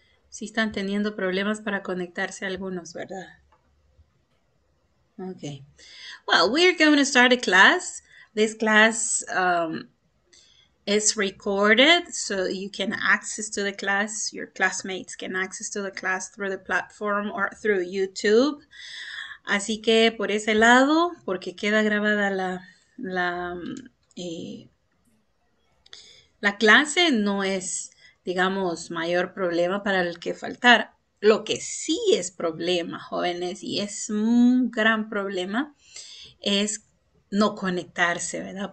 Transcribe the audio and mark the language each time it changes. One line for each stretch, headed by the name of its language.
Spanish: Sí están teniendo problemas para conectarse algunos, ¿verdad?
English: Okay. Well, we are going to start a class. This class is recorded, so you can access to the class. Your classmates can access to the class through the platform or through YouTube.
Spanish: Así que por ese lado, porque queda grabada la clase no es, digamos, mayor problema para el que faltara. Lo que sí es problema, jóvenes, y es un gran problema, es no conectarse, ¿verdad?